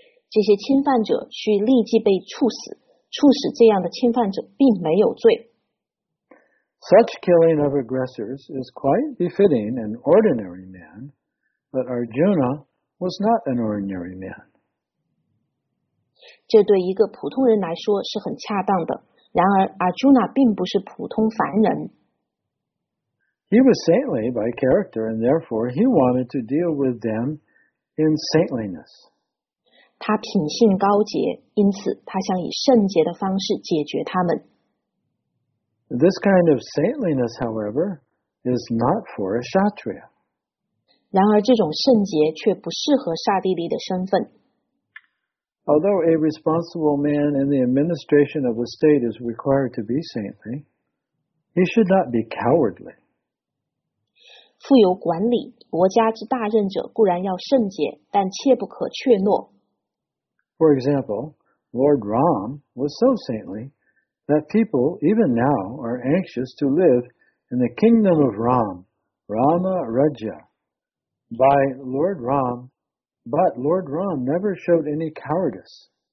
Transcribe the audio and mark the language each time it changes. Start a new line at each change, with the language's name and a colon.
Chinese: 这些侵犯者需立即被处死，处死这样的侵犯者并没有罪。
English: Such killing of aggressors is quite befitting an ordinary man, but Arjuna was not an ordinary man.
Chinese: 这对一个普通人来说是很恰当的。然而 ，Arjuna 并不是普通凡人。
English: He was saintly by character, and therefore he wanted to deal with them in saintliness.
Chinese: 他品性高洁，因此他想以圣洁的方式解决他们。
English: This kind of saintliness, however, is not for a kshatriya.
Chinese: 然而，这种圣洁却不适合刹帝利的身份。
English: Although a responsible man in the administration of a state is required to be saintly, he should not be cowardly.
Chinese: 负有管理国家之大任者固然要圣洁，但切不可怯懦。
English: For example, Lord Ram was so saintly that people even now are anxious to live in the kingdom of Ram, Rama Raja, by Lord Ram. But Lord Ram never showed any cowardice.